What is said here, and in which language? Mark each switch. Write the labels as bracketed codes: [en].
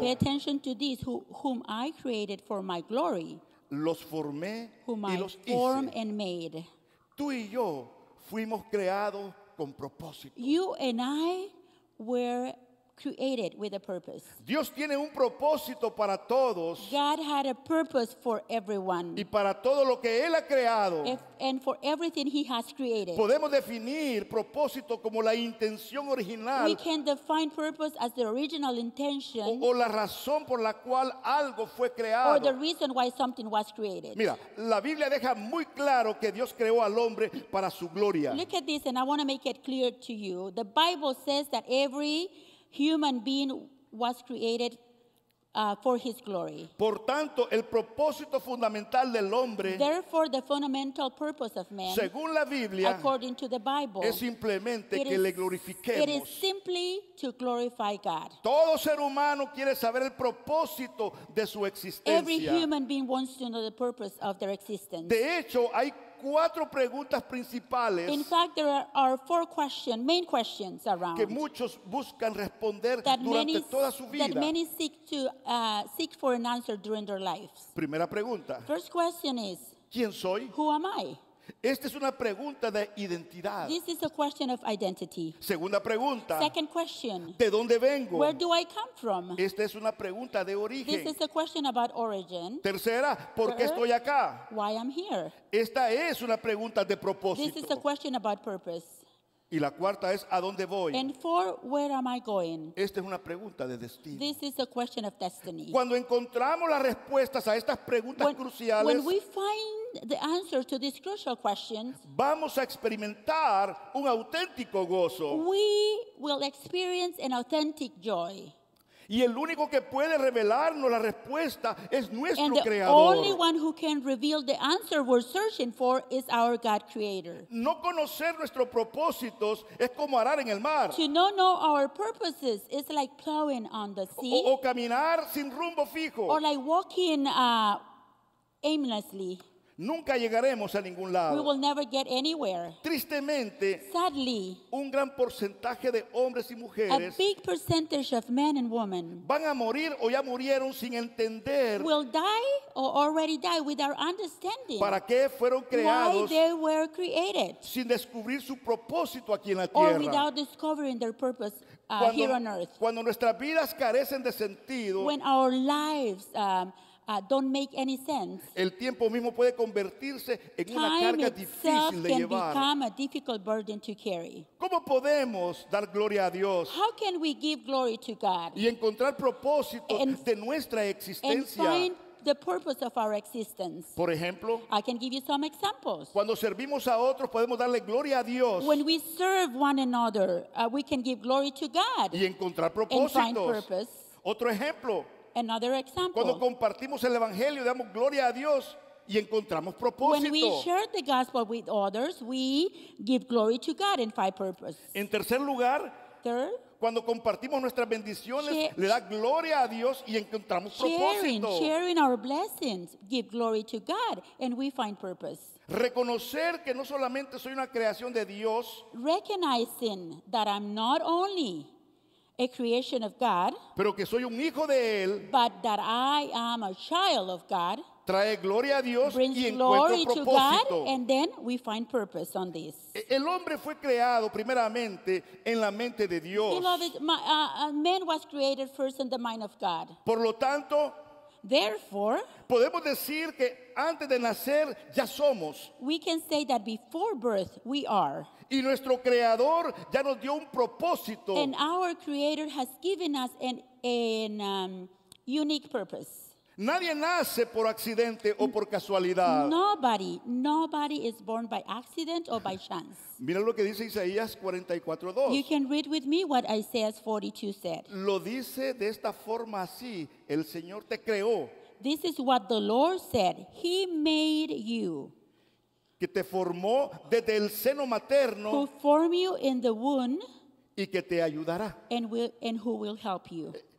[en] Pay attention to this, whom I created for my glory. [es] Los formé [en] whom [es] y [en] I [es] los [en] formed [es] hice. [en] And made. [es] Tú y yo fuimos creados con propósito. [en] You and I were created with a purpose. [es] Dios tiene un propósito para todos. [en] God had a purpose for everyone. [es] Y para todo lo que Él ha creado. [en] And for everything He has created. [es] Podemos definir propósito como la intención original. [en] We can define purpose as the original intention. [es] O la razón por la cual algo fue creado. [en] Or the reason why something was created. [es] Mira, la Biblia deja muy claro que Dios creó al hombre para su gloria. [en] Look at this, and I want to make it clear to you. The Bible says that every human being was created for his glory. [es] Por tanto, el propósito fundamental del hombre, [en] therefore, the fundamental purpose of man, [es] según la Biblia, [en] according to the Bible, [es] es simplemente que le glorifiquemos. [en] It is simply to glorify God. [es] Todo ser humano quiere saber el propósito de su existencia. [en] Every human being wants to know the purpose of their existence. [es] De hecho, hay cuatro preguntas principales. [en] In fact, there are four questions, main questions around, [es] que muchos buscan responder durante [en] many, [es] toda su vida. [en] That many seek for an answer during their lives. [es] Primera pregunta. [en] First question is, [es] ¿quién soy? [en] Who am I? [es] Esta es una pregunta de identidad. [en] This is a question of identity. [es] Segunda pregunta. [en] Second question. [es] ¿De dónde vengo? [en] Where do I come from? [es] Esta es una pregunta de origen. [en] This is a question about origin. [es] Tercera, ¿por qué estoy acá? [en] Why I'm here. [es] Esta es una pregunta de propósito. [en] This is a question about purpose. [es] Y la cuarta es, ¿a dónde voy? [en] And four, where am I going? [es] Esta es una pregunta de destino. [en] This is a question of destiny. [es] Cuando encontramos las respuestas a estas preguntas cruciales, [en] when we find the answer to these crucial questions, [es] vamos a experimentar un auténtico gozo. [en] We will experience an authentic joy. [es] Y el único que puede revelarnos la respuesta es nuestro [en] and the [es] creador. [en] Only one who can reveal the answer we're searching for is our God creator. [es] No conocer nuestros propósitos es como arar en el mar. [en] To not know our purposes is like plowing on the sea. [es] O caminar sin rumbo fijo. [en] Or like walking aimlessly. [es] Nunca llegaremos a ningún lado. [en] We will never get anywhere. [es] Tristemente, [en] sadly, [es] un gran porcentaje de hombres y mujeres, [en] a big percentage of men and women, [es] van a morir o ya murieron sin entender, [en] will die or already die without understanding, [es] para qué fueron creados, [en] why they were created, [es] sin descubrir su propósito aquí en la tierra, [en] or without discovering their purpose here on earth. [es] Cuando nuestras vidas carecen de sentido, [en] when our lives don't make any sense. [es] El tiempo mismo puede convertirse en [en] time [es] una carga difícil de llevar. [en] Become a difficult burden to carry. [es] ¿Cómo podemos dar gloria a Dios? [en] How can we give glory to God? [es] Y encontrar propósito de nuestra existencia. [en] And find the purpose of our existence. [es] Por ejemplo, [en] I can give you some examples. [es] Cuando servimos a otros, podemos darle gloria a Dios. [en] When we serve one another, we can give glory to God. [es] Y encontrar propósitos. [en] And find purpose. [es] Otro ejemplo. [en] Another example. [es] Cuando compartimos el evangelio, damos gloria a Dios y encontramos propósito. [en] When we share the gospel with others, we give glory to God and find purpose. [es] En tercer lugar, [en] third, [es] cuando compartimos nuestras bendiciones, le da gloria a Dios y encontramos propósito. [en] Sharing our blessings, give glory to God and we find purpose. [es] Reconocer que no solamente soy una creación de Dios. [en] Recognizing that I'm not only a creation of God, [es] pero que soy un hijo de él, [en] but that I am a child of God, [es] trae gloria a Dios, [en] brings [es] y encuentro [en] glory [es] propósito. [en] To God, and then we find purpose on this. [es] El hombre fue creado primeramente en la mente de Dios. [en] Beloved, man was created first in the mind of God. [es] Por lo tanto, [en] therefore, [es] podemos decir que antes de nacer ya somos. [en] We can say that before birth we are. [es] Y nuestro creador ya nos dio un propósito. [en] And our creator has given us an unique purpose. [es] Nadie nace por accidente o por casualidad. [en] Nobody is born by accident or by chance. [es] Mira lo que dice Isaías 44:2. [en] You can read with me what Isaiah 42 said. [es] Lo dice de esta forma así, el Señor te creó. [en] This is what the Lord said. He made you. [es] Que te formó desde el seno materno. [en] Who formed you in the womb. [es] Y que te ayudará. [en] And who will help you.